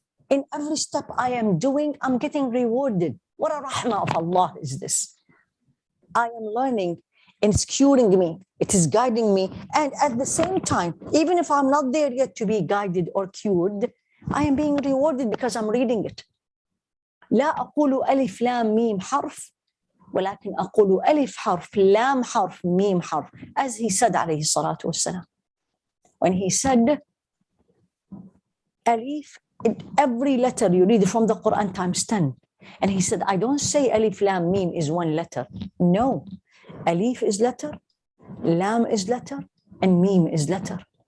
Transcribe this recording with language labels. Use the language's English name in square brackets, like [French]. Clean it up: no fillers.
[English] In every step I am doing, I'm getting rewarded. What a rahmah of Allah is this. I am learning and it's curing me. It is guiding me. And at the same time, even if I'm not there yet to be guided or cured, I am being rewarded because I'm reading it. [Arabic] لا أقول ألف لام ميم حرف ولكن أقول ألف حرف لام حرف ميم حرف. [English] As he said [Arabic] عليه الصلاة والسلام. [English] When he said, Alif, every letter you read from the Quran times 10. And he said, I don't say Alif Lam Mim is one letter. No. Alif is letter, Lam is letter, and Mim is letter.